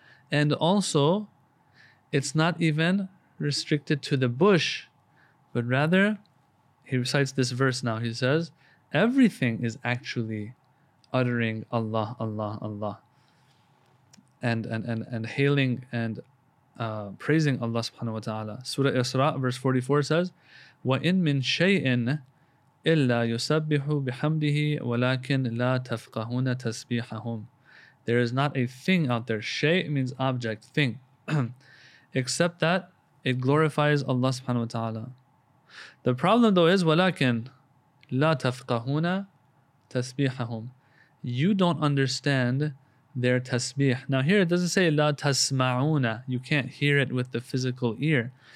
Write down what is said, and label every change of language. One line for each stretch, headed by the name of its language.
English: And also, it's not even restricted to the bush, but rather, he recites this verse now. He says, everything is actually uttering Allah, Allah, Allah, and hailing and praising Allah subhanahu wa ta'ala. Surah Isra, verse 44 says,
Arabic: وَإِن مِّن شَيْءٍ إِلَّا يُسَبِّحُ بِحَمْدِهِ وَلَكِنْ لَا تَفْقَهُونَ تَسْبِيحَهُمْ.
English: There is not a thing out there. Shay means object, thing. Except that it glorifies Allah subhanahu wa ta'ala. The problem though is,
Arabic: وَلَكِنْ لَا تَفْقَهُونَ تَسْبِيحَهُمْ.
English: You don't understand their tasbih. Now here it doesn't say la tasma'una, you can't hear it with the physical ear.